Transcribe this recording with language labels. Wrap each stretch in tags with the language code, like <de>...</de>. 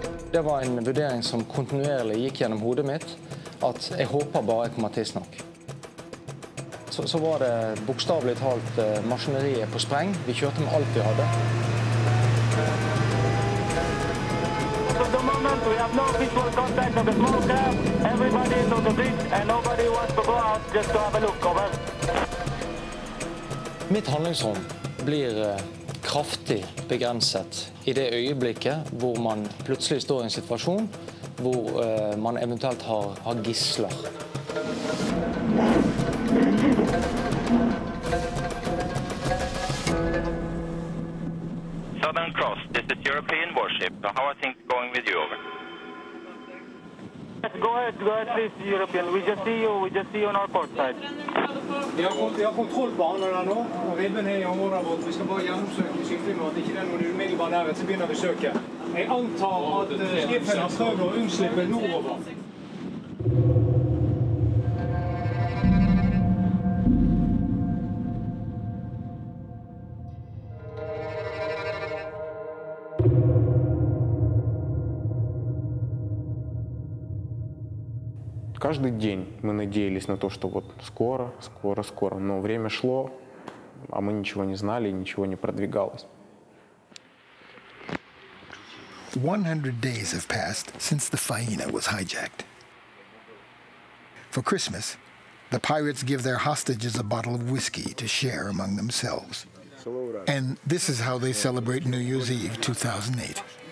<no>Det var en vurdering som kontinuerlig gikk gjennom hodet mitt. At jeg håper bare jeg kommer tidsnok. Så var det bokstavlig talt maskineriet på spreng. Vi kjørte med alt vi hadde.</no> <en>For the moment we have no visual contact of the small craft. Everybody is on the bridge and nobody wants to go out just to have a look over.</en> <no>Mitt handlingsrom blir kraftig begrenset i det øyeblikket hvor man plutselig står i en situasjon hvor man eventuelt har gisler.</no> <en>Southern Cross, this is European warship. How are things going with you, over? Go ahead, please, European. We just see you on our port side.</en> <no>Vi har kontrollbanene der nå, og ribben er i området vårt. Vi skal bare gjennomsøke skiflimmer, at det ikke er noen umiddelbar nærhet, så begynner vi å søke. Jeg antar at skiflet har prøvd å unnslippe nordover.</no> <ru>Каждый день мы надеялись на то, что вот скоро, скоро, скоро. Но время шло, а мы ничего не знали, ничего не продвигалось.</ru> <en>100 days have passed since the Faina was hijacked. For Christmas, the pirates give their hostages a bottle of whiskey to share among themselves. And this is how they celebrate New Year's Eve 2008.</en>